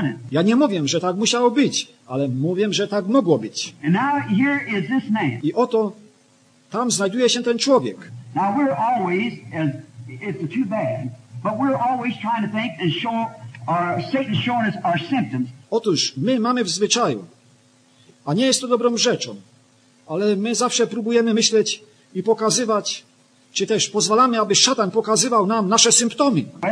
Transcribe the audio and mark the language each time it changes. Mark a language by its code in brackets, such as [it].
[pl] Ja nie mówię, że tak musiało być, ale mówię, że tak mogło być. [en] And now here is this man. [pl] I oto tam znajduje się ten człowiek. [en] Now we're always, as it's too bad, but we're always trying to think and show our Satan's showing us our symptoms. [pl] Otóż my mamy w zwyczaju, a nie jest to dobrą rzeczą. Ale my zawsze próbujemy myśleć i pokazywać, czy też pozwalamy, aby szatan pokazywał nam nasze symptomy.